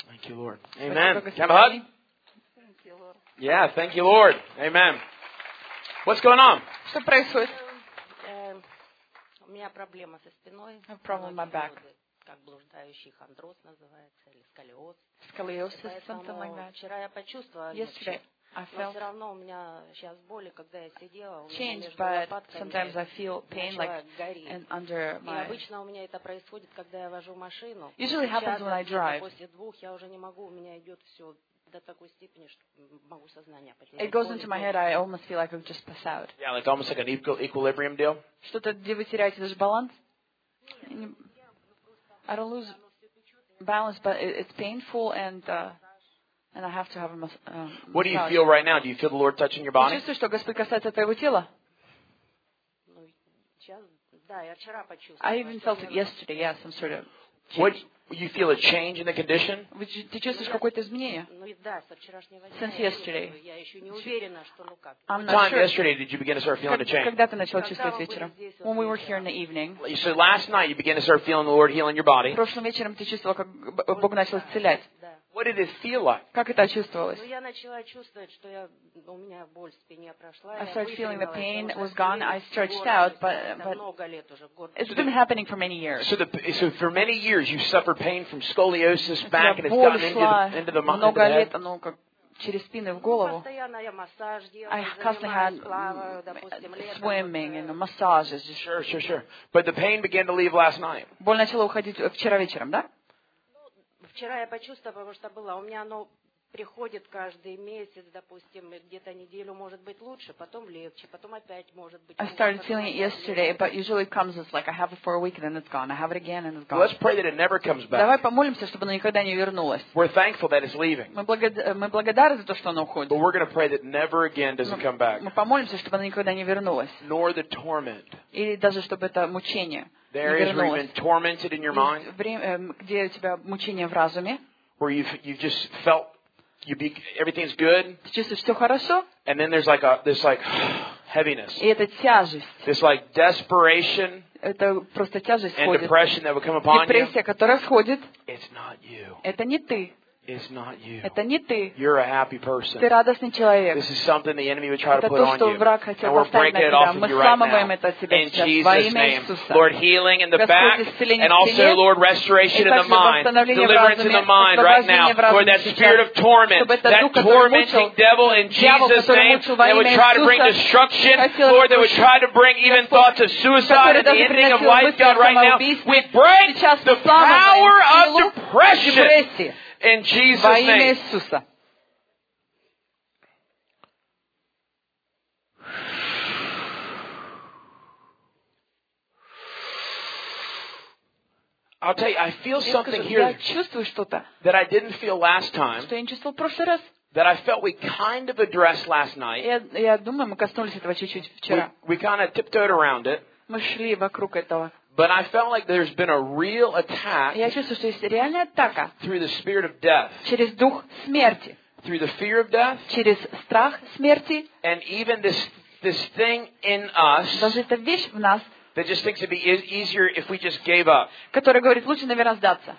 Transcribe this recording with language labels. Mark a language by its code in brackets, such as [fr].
[en] Thank you, Lord. Amen. Can I have a hug? Thank you, Lord. Yeah, thank you, Lord. Amen. What's going on? [ru] Что происходит? У меня проблема со спиной. [en] I have a problem with my back. [ru] Как блуждающий хондроз называется, или сколиоз. [en] Сколиоз, something like that. [ru] Вчера я почувствовала. [en] Yesterday. I felt changed, but sometimes I feel pain like and under my. [ru] Обычно у меня это происходит, когда я вожу машину. [en] Usually happens when I drive. [ru] После двух я уже не могу, у меня идет все до такой степени, что могу сознание потерять. [en] It goes into my head. I almost feel like I've just passed out. Yeah, like almost like an equilibrium deal. [ru] Что-то где вы теряете даже баланс? [en] I don't lose balance, but it's painful and. And I have to have a massage. What do you feel right now? Do you feel the Lord touching your body? [ru] Чувствую, что Господь касается твоего тела. Да, я вчера почувствовала. [en] I even felt it yesterday. Yes, some sort of. What you feel a change in the condition? [ru] Ты чувствуешь какое-то изменение? Ну да, со вчерашнего дня. [en] Since yesterday. [ru] Я еще не уверена, что ну как. [en] I'm not sure. Yesterday, did you begin to start feeling a change? [ru] Когда ты начал чувствовать вечером? [en] When we were here in the evening. So last night you began to start feeling the Lord healing your body. [ru] Прошлым вечером ты чувствовал, как Бог начал исцелять. [en] What did it feel like? [ru] Как это чувствовалось? Ну я начала чувствовать, что я у меня боль в спине прошла. [en] I started feeling the pain was gone. I stretched out, but [ru] много лет уже, [en] it's been happening for many years. So for many years you suffered pain from scoliosis back and it's gotten into the head. [ru] Много лет, оно как через спину в голову. Постоянно я массаж делала. [en] I constantly had swimming and massages. Sure. But the pain began to leave last night. [ru] Боль начала уходить вчера вечером, да? Вчера я почувствовала, потому что было, у меня оно приходит каждый месяц, допустим, где-то неделю может быть лучше, потом легче, потом опять может быть. [en] I started feeling it yesterday, but usually it comes as like I have it for a week and then it's gone. I have it again and it's gone. Let's pray that it never comes back. [ru] Давай помолимся, чтобы оно никогда не вернулось. [en] We're thankful that it's leaving. [ru] Мы благодарны за то, что оно уходит. [en] But we're going to pray that never again does it come back. [ru] Мы помолимся, чтобы оно никогда не вернулось. [en] Nor the torment. [ru] Или даже чтобы это мучение. [en] There is where you've been tormented in your mind. [ru] Где у тебя мучение в разуме? [en] Where you've just felt everything's good. [ru] Ты чувствуешь, все хорошо? [en] And then there's like this heaviness. [ru] И это тяжесть. [en] This like desperation. [ru] Это просто тяжесть. [en] And depression that would come upon you. [ru] Депрессия, которая сходит. [en] It's not you. [ru] Это не ты. [en] It's not you. [ru] Это не ты. [en] You're a happy person. [ru] Ты радостный человек. [en] This is something the enemy would try [ru] это [en] to put [ru] то, [en] on you. [ru] Это то, что враг хотел поставить на тебя. Мы сломываем это тебе сейчас во имя Иисуса. [en] Lord, healing in the back, and also Lord, restoration in the mind, deliverance in the mind right now. Lord, that spirit of torment, that tormenting devil in Jesus' name, that would try to bring destruction, Lord, that would try to bring even thoughts of suicide and the ending of life, God, right now. We break the power of depression. In Jesus' name. I'll tell you, I feel something here that I didn't feel last time. that I felt we kind of addressed last night. [ru] Я думаю, мы коснулись этого чуть-чуть вчера. [en] We kind of tiptoed around it. [ru] Мы шли вокруг этого. [en] But I felt like there's been a real attack. [ru] Я чувствую, что есть реальная атака. [en] Through the spirit of death. [ru] Через дух смерти. [en] Through the fear of death. [ru] Через страх смерти. [en] And even this thing in us. [ru] Даже эта вещь в нас. [en] That just thinks it'd be easier if we just gave up. [ru] Который говорит, лучше, наверное, сдаться.